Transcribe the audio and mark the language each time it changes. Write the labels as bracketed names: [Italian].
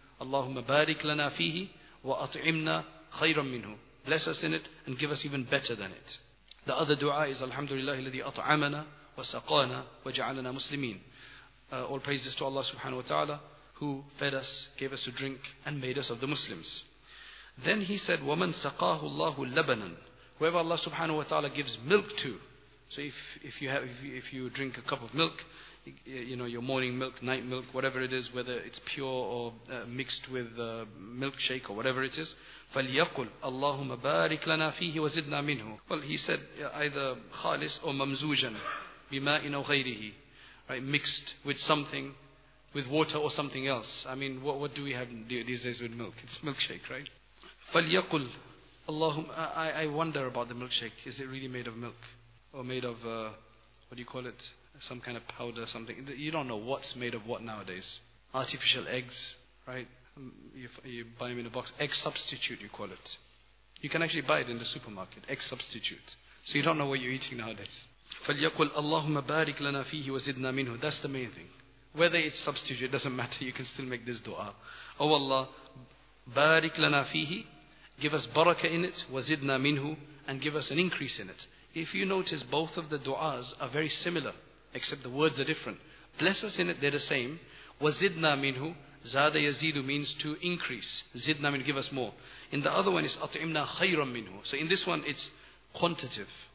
[Arabic] Allahumma barik lana fihi wa at'imna khayran minhu. [English] Bless us in it and give us even better than it. The other dua is, Alhamdulillah, alladhi at'amana [Arabic] وسقانا وجعلنا مسلمين. [English] All praises to Allah subhanahu wa ta'ala, who fed us, gave us a drink, and made us of the Muslims. [Arabic] Then he said, وَمَنْ سَقَاهُ اللَّهُ لَبَنًا. [English] Whoever Allah subhanahu wa ta'ala gives milk to. So if you drink a cup of milk, you know, your morning milk, night milk, whatever it is, whether it's pure or mixed with milkshake or whatever it is, فَلْيَقُلْ اللَّهُمَّ بَارِكْ لَنَا فِيهِ وَزِدْنَا مِنْهُ. Well, he said either خَالِص or مَمْزُوجًا بِمَاءٍ أَوْ غَيْرِهِ. Right, mixed with something, with water or something else. I mean, what do we have these days with milk? It's milkshake, right? فَلْيَقُلْ اللَّهُمَّ. I wonder about the milkshake. Is it really made of milk? Or made of, what do you call it? Some kind of powder, something. You don't know what's made of what nowadays. Artificial eggs, right? You buy them in a box. Egg substitute, you call it. You can actually buy it in the supermarket. Egg substitute. So you don't know what you're eating nowadays. [Arabic] فَلْيَقُلْ اللَّهُمَّ بَارِكْ لَنَا فِيهِ وَزِدْنَا مِنْهُ. That's the main thing. [English] Whether it's substitute, it doesn't matter. You can still make this dua. [Arabic] Oh Allah, بَارِكْ لَنَا فِيهِ. [English] Give us barakah in it, وَزِدْنَا مِنْهُ. And give us an increase in it. If you notice, both of the du'as are very similar, except the words are different. Bless us in it, they're the same. [Arabic] وَزِدْنَا مِنْهُ. [English] زَادَ يَزِيدُ means to increase. زِدْنَا مِنْهُ, give us more. In the other one, it's أَطْعِمْنَا خَيْرًا مِنْهُ. So in this one, it's quantitative.